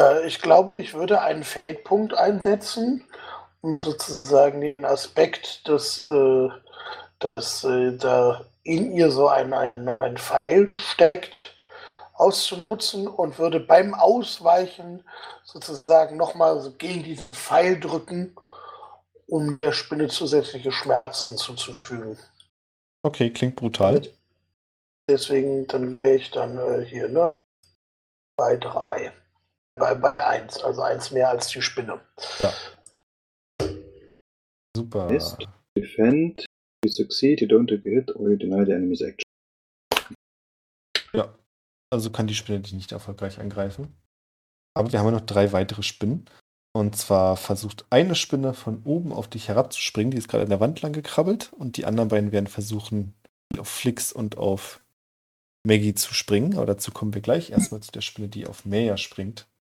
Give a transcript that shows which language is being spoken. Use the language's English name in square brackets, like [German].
[German] Ich glaube, ich würde einen Fake-Punkt einsetzen, um sozusagen den Aspekt, dass da in ihr so ein Pfeil steckt, auszunutzen und würde beim Ausweichen sozusagen nochmal so gegen diesen Pfeil drücken, um der Spinne zusätzliche Schmerzen zuzufügen. Okay, klingt brutal. Deswegen, dann wäre ich dann hier, ne? Bei 3. Bei 1, also 1 mehr als die Spinne. Ja. Super. [English] Defend, you succeed, you don't take a hit, or you deny the enemy's action. [German] Ja, also kann die Spinne dich nicht erfolgreich angreifen. Aber wir haben ja noch 3 weitere Spinnen. Und zwar versucht eine Spinne von oben auf dich herabzuspringen, die ist gerade an der Wand lang gekrabbelt und die anderen beiden werden versuchen, auf Flix und auf Maggie zu springen, aber dazu kommen wir gleich erstmal zu der Spinne, die auf Maya springt.